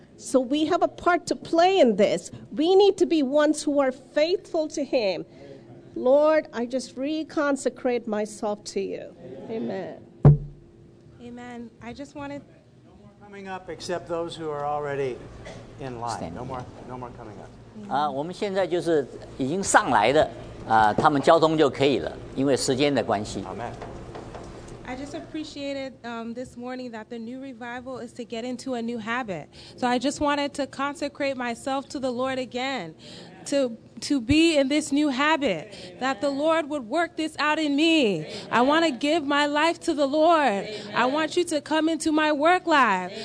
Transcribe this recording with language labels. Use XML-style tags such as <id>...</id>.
<en>So we have a part to play in this. We need to be ones who are faithful to him. Lord, I just reconsecrate myself to you. Amen. Amen. I just wanted... No more coming up except those who are already in line. No more coming up.</en> <zh>我们现在就是已经上来的。他们交通就可以了，因为时间的关系。</zh> <en>Amen. I just appreciated this morning that the new revival is to get into a new habit. So I just wanted to consecrate myself to the Lord again, to be in this new habit, that the Lord would work this out in me. I want to give my life to the Lord. I want you to come into my work life.</en>